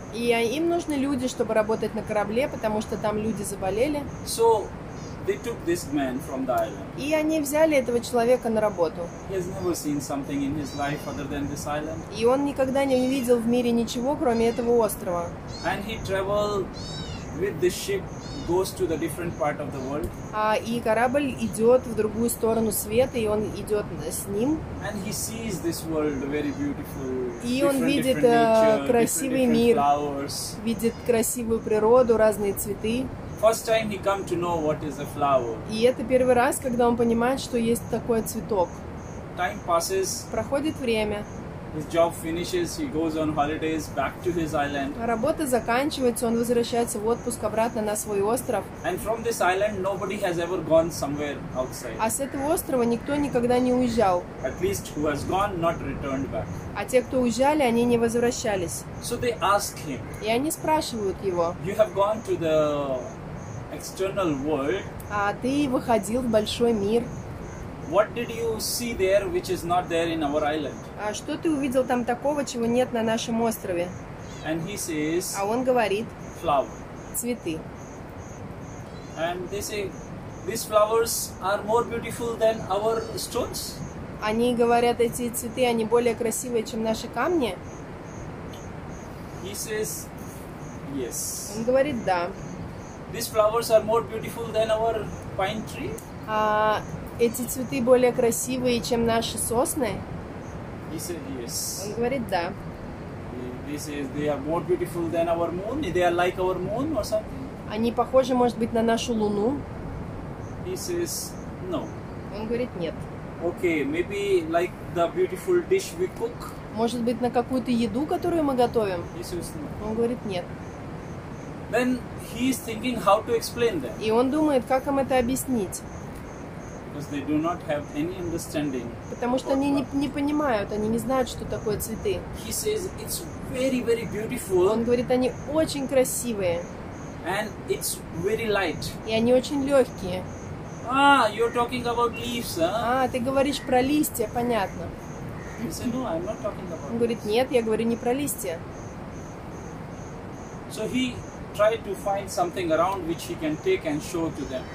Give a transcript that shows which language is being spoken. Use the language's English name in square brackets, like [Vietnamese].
[Russian] И им нужны люди, чтобы работать на корабле, потому что там люди заболели. [English] So they took this man from the island. [Russian] И они взяли этого человека на работу. [English] He has never seen something in his life other than this island. [Russian] И он никогда не видел в мире ничего, кроме этого острова. [English] And he traveled with this ship, goes to the different part of the world. [Russian] И корабль идет в другую сторону света, и он идет с ним. [English] And he sees this world very beautiful. [Russian] И он видит красивый мир. Видит красивую природу, разные цветы. [English] First time he come to know what is a flower. [Russian] И это первый раз, когда он понимает, что есть такой цветок. [English] Time passes. [Russian] Проходит время. [English] His job finishes, he goes on holidays back to his island. [Russian] Работа заканчивается, он возвращается в отпуск обратно на свой остров. [English] And from this island nobody has ever gone somewhere outside. [Russian] А с этого острова никто никогда не уезжал. [English] At least who has gone, not returned back. [Russian] А те, кто уезжали, они не возвращались. [English] So they ask him. [Russian] И они спрашивают его. [English] You have gone to the external world. [Russian] А ты выходил в большой мир. [English] What did you see there, which is not there in our island? [Russian] А что ты увидел там такого, чего нет на нашем острове? [English] And he says. [Russian] А он говорит. [English] Flower. [Russian] Цветы. [English] And they say, these flowers are more beautiful than our stones. [Russian] Они говорят, эти цветы, они более красивые, чем наши камни. [English] He says, yes. [Russian] Он говорит, да. [English] These flowers are more beautiful than our pine tree. [Russian] Эти цветы более красивые, чем наши сосны? [English] He said yes. [Russian] Он говорит да. [English] He says they are more beautiful than our moon. They are like our moon or something. [Russian] Они похожи, может быть, на нашу луну? [English] He says no. [Russian] Он говорит нет. [English] Okay, maybe like the beautiful dish we cook. [Russian] Может быть, на какую-то еду, которую мы готовим? [English] He says no. [Russian] Он говорит нет. [English] Then he is thinking how to explain that. [Russian] И он думает, как им это объяснить? [English] Because they do not have any understanding. [Russian] Потому что они не понимают, они не знают, что такое цветы. [English] He says it's very, very beautiful. [Russian] Он говорит, они очень красивые. [English] And it's very light. [Russian] И они очень легкие. [English] you're talking about leaves, huh? [Russian] А, ты говоришь про листья, понятно. [English] He said, no, I'm not talking about. [Russian] Он говорит, нет, я говорю не про листья. [English] So he tried to find something around which he can take and show to them.